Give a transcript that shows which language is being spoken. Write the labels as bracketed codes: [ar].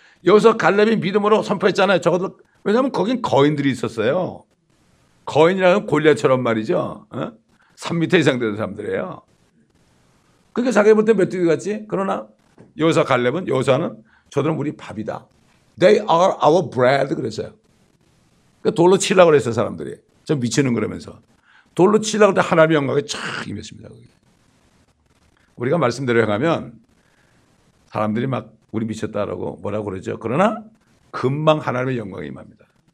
[ko] 여호사 갈렙이 믿음으로 선포했잖아요. 적어도 왜냐하면 거긴 거인들이 있었어요. 거인이라는 골리앗처럼 말이죠. 3미터 이상 되는 사람들이에요. 그러니까 자기가 볼 때 메뚜기 같지. 그러나 여호사 갈렙은 여호사는 저들은 우리 밥이다. [en] They are our bread [ko] 그랬어요. 그러니까 돌로 치려고 그랬어요. 사람들이. 저 미치는 그러면서. 돌로 치려고 할 때 하나님의 영광이 촥 임했습니다. 그게. 우리가 말씀대로 행하면 사람들이 막 우리 미쳤다라고 뭐라고 그러죠. 그러나 금방 하나님의 영광이 임합니다.